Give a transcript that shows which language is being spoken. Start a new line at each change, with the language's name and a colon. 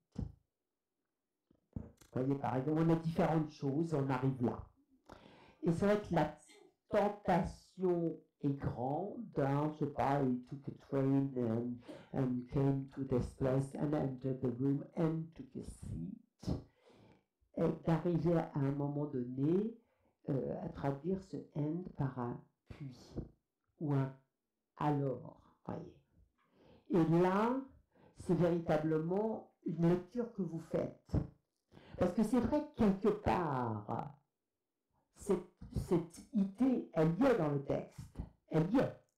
French: Vous voyez, par exemple, on a différentes choses, on arrive là. Et ça va être la tentation est grande, hein, je sais pas,
English: he took a train and came to this place and entered the room and took a seat.
French: Et d'arriver à un moment donné à traduire ce end par un puis ou un alors, voyez. Et là, c'est véritablement une lecture que vous faites. Parce que c'est vrai que quelque part, cette idée, elle y est dans le texte. Elle y est.